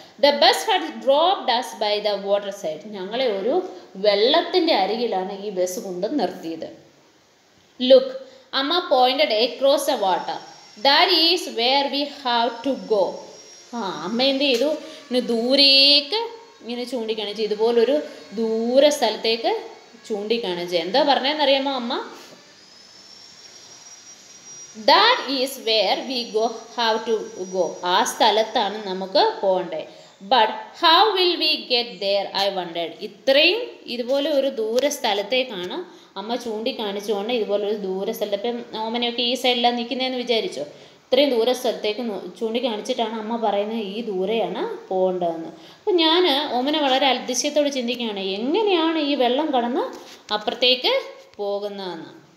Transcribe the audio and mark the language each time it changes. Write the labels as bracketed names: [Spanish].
[English] the bus had dropped us by the water side, [Malayalam] ഞങ്ങളെ ഒരു വെള്ളത്തിൻ്റെ അരികിലാണ് ഈ ബസ് കൊണ്ട് നിർത്തിയത്. [English] Look, അമ്മ pointed across the water, that is where we have to go. [Malayalam] ആ അമ്മ എന്ത് ചെയ്തു, ഇനി ദൂരേക്ക് ഇങ്ങനെ ചൂണ്ടിക്കാണിച്ച്, ഇതുപോലൊരു ദൂര സ്ഥലത്തേക്ക് ചൂണ്ടിക്കാണിച്ച്. എന്താ പറഞ്ഞതെന്നറിയാമോ അമ്മ, [English] That is where we go, have to go. [Malayalam] ആ സ്ഥലത്താണ് നമുക്ക് പോകണ്ടേ. [English] But how will we get there, I wondered. [Malayalam] ഇത്രയും ഇതുപോലെ ഒരു ദൂര സ്ഥലത്തേക്കാണ് അമ്മ ചൂണ്ടിക്കാണിച്ചുകൊണ്ട് ഇതുപോലെ ഒരു ദൂര സ്ഥലത്ത്, ഇപ്പം ഓമനയൊക്കെ ഈ സൈഡിലാണ് നിൽക്കുന്നതെന്ന് വിചാരിച്ചോ, ഇത്രയും ദൂര സ്ഥലത്തേക്ക് ചൂണ്ടിക്കാണിച്ചിട്ടാണ് അമ്മ പറയുന്നത് ഈ ദൂരെയാണ് പോകേണ്ടതെന്ന്. അപ്പം ഞാൻ ഓമന വളരെ അതിശയത്തോട് ചിന്തിക്കുകയാണ്, എങ്ങനെയാണ് ഈ വെള്ളം കടന്ന് അപ്പുറത്തേക്ക് പോകുന്നതെന്ന്.